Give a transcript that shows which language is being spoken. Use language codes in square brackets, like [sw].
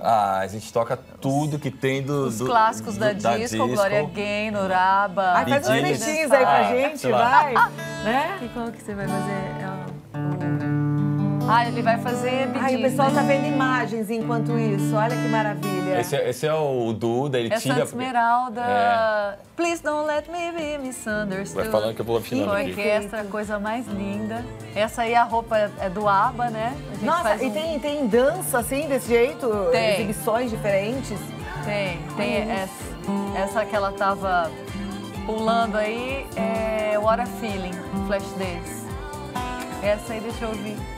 [pt] Ah, a gente toca tudo que tem do... Os clássicos da disco. Gloria Gaynor, ABBA... Ai, faz uns beijinhos aí pra gente, vai! Né? Qual que você vai fazer? Ele vai fazer Bidinho. Ai, o pessoal tá vendo imagens enquanto isso. Olha que maravilha. Esse é o Duda, ele tira... Essa esmeralda... É. [en] Please don't let me be misunderstood. [pt] Vai falando que eu vou afinando aqui. Com orquestra, coisa mais linda. Essa aí, a roupa é do ABBA, né? Tem dança assim, desse jeito? Tem. Exibições diferentes? Tem. Essa que ela tava pulando aí é What a Feeling, Flashdance. Essa aí, deixa eu ouvir.